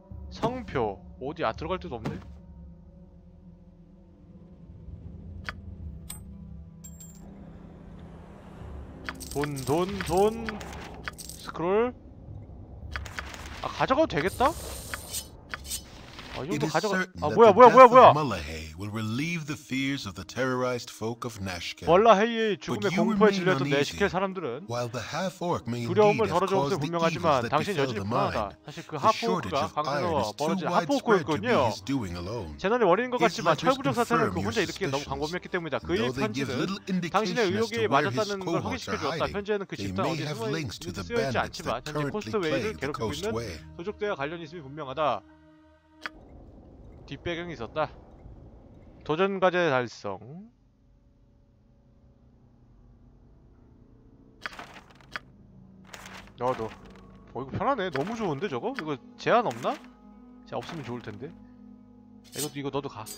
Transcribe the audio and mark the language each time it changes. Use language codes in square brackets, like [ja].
[ko] 성표 어디 아 들어갈 데도 없네. 돈 스크롤. 아, 가져가도 되겠다? [en] It is certain that the death of Mullahay will relieve the fears of the terrorized folk of Nashkel. But you remain uneasy. While the half-orc may indeed have caused the evils that befell the mine, the shortage of iron is too widespread to be his doing alone. His letters confirm your suspicions. Though they give little indication as to where his cohorts are hiding, they may have links to the bandits that currently plague the coastway. [ko] 소족대와 관련이 있음이 분명하다. 뒷배경이 있었다. 도전과제 달성. 너도. 어, 이거 편하네. 너무 좋은데 저거? 이거 제한 없나? 제한 없으면 좋을 텐데. 이것도 이거 너도 가.